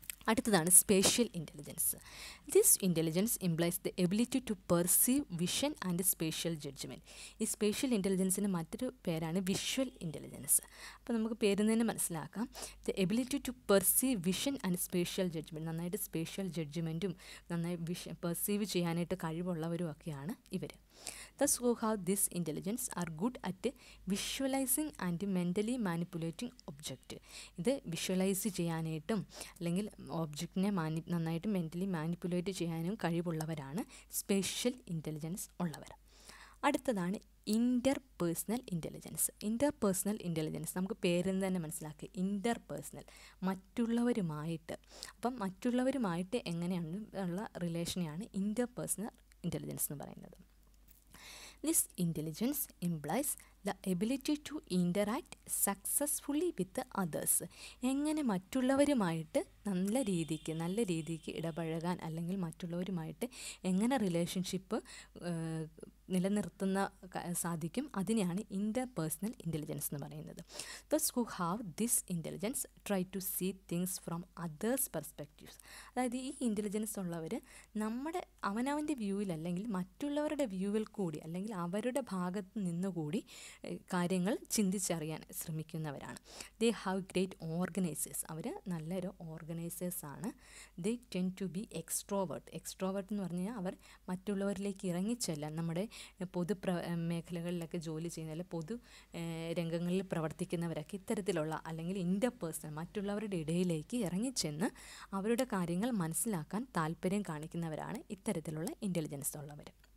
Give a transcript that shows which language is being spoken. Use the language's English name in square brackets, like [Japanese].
[Malayalam] അടുത്തതാണ് spatial intelligence. [English] This intelligence implies the ability to perceive vision and spatial judgement. [Malayalam] ഈ spatial ഇൻ്റലിജൻസിന് മറ്റൊരു പേരാണ് visual intelligence. അപ്പോൾ നമുക്ക് പേരിൽ നിന്ന് മനസ്സിലാക്കാം, [English] The ability to perceive vision and spatial judgement. [Malayalam] നന്നായിട്ട് സ്പേഷ്യൽ ജഡ്ജ്മെൻറ്റും നന്നായി വിഷൻ പെർസീവ് ചെയ്യാനായിട്ട് കഴിവുള്ളവരും ഒക്കെയാണ് ഇവർ. [English] Thus, who have this intelligence are good at visualizing and mentally manipulating object. [Malayalam] ഇത് വിഷ്വലൈസ് ചെയ്യാനായിട്ടും അല്ലെങ്കിൽ ഒബ്ജക്റ്റിനെ നന്നായിട്ട് മെൻ്റലി മാനിപ്പുലേറ്റ് ചെയ്യാനും കഴിവുള്ളവരാണ് സ്പേഷ്യൽ ഇൻ്റലിജൻസ് ഉള്ളവർ. അടുത്തതാണ് ഇൻ്റർപേഴ്സണൽ ഇൻ്റലിജൻസ്. ഇൻ്റർപേഴ്സണൽ ഇൻ്റലിജൻസ് നമുക്ക് പേരിൽ നിന്ന് തന്നെ മനസ്സിലാക്കി, ഇൻ്റർപേഴ്സണൽ മറ്റുള്ളവരുമായിട്ട്. അപ്പം മറ്റുള്ളവരുമായിട്ട് എങ്ങനെയാണ് ഉള്ള റിലേഷനെയാണ് ഇൻ്റർപേഴ്സണൽ ഇൻ്റലിജൻസ് എന്ന് പറയുന്നത്. [English] This intelligence implies the ability to interact successfully with others. [Malayalam] എങ്ങനെ മറ്റുള്ളവരുമായിട്ട് നല്ല രീതിക്ക് ഇടപഴകാൻ അല്ലെങ്കിൽ മറ്റുള്ളവരുമായിട്ട് എങ്ങനെ റിലേഷൻഷിപ്പ് നിലനിർത്തുന്ന സാധിക്കും, അതിനെയാണ് ഇൻ്റർപേഴ്സണൽ ഇൻ്റലിജൻസ് എന്ന് പറയുന്നത്. [English] Thus, who have this intelligence try to see things from others' perspectives. [Malayalam] അതായത് ഈ ഇൻ്റലിജൻസ് ഉള്ളവർ നമ്മുടെ അവനവൻ്റെ വ്യൂവിൽ അല്ലെങ്കിൽ മറ്റുള്ളവരുടെ വ്യൂവിൽ കൂടി അല്ലെങ്കിൽ അവരുടെ ഭാഗത്ത് നിന്നുകൂടി കാര്യങ്ങൾ ചിന്തിച്ചറിയാൻ ശ്രമിക്കുന്നവരാണ്. [English] They have great organisers. [Malayalam] അവർ നല്ലൊരു ഓർഗനൈസേഴ്സാണ്. [English] They tend to be extrovert. [Malayalam] Extrovert എന്ന് പറഞ്ഞാൽ അവർ മറ്റുള്ളവരിലേക്ക് ഇറങ്ങിച്ചെല്ലാൻ, നമ്മുടെ പൊതു മേഖലകളിലൊക്കെ ജോലി ചെയ്യുന്ന അല്ലെങ്കിൽ പൊതു രംഗങ്ങളിൽ പ്രവർത്തിക്കുന്നവരൊക്കെ ഇത്തരത്തിലുള്ള അല്ലെങ്കിൽ ഇൻ്റർപേഴ്സണൽ മറ്റുള്ളവരുടെ ഇടയിലേക്ക് ഇറങ്ങിച്ചെന്ന് അവരുടെ കാര്യങ്ങൾ മനസ്സിലാക്കാൻ താല്പര്യം കാണിക്കുന്നവരാണ് ഇത്തരത്തിലുള്ള ഇൻ്റലിജൻസ് ഉള്ളവർ.